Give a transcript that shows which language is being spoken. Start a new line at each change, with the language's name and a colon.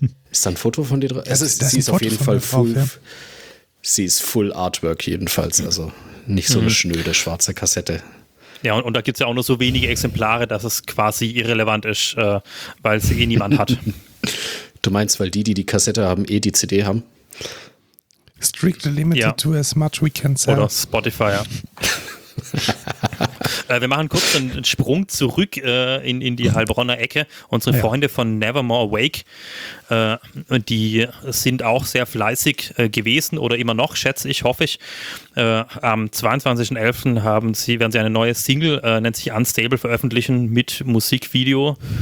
German: Ist da ein Foto von dir drauf? Also, sie ist auf jeden Fall full. Drauf, ja. Sie ist full Artwork jedenfalls. Also nicht so eine schnöde schwarze Kassette. Ja, und da gibt es ja auch nur so wenige Exemplare, dass es quasi irrelevant ist, weil sie eh niemand hat. Du meinst, weil die Kassette haben, eh die CD haben?
English: Strictly limited to as much we can sell.
German: Oder Spotify, ja. Wir machen kurz einen Sprung zurück in die Heilbronner Ecke. Unsere Freunde von Nevermore Awake, die sind auch sehr fleißig gewesen oder immer noch, schätze ich, hoffe ich. Am 22.11. werden sie eine neue Single, nennt sich Unstable, veröffentlichen mit Musikvideo.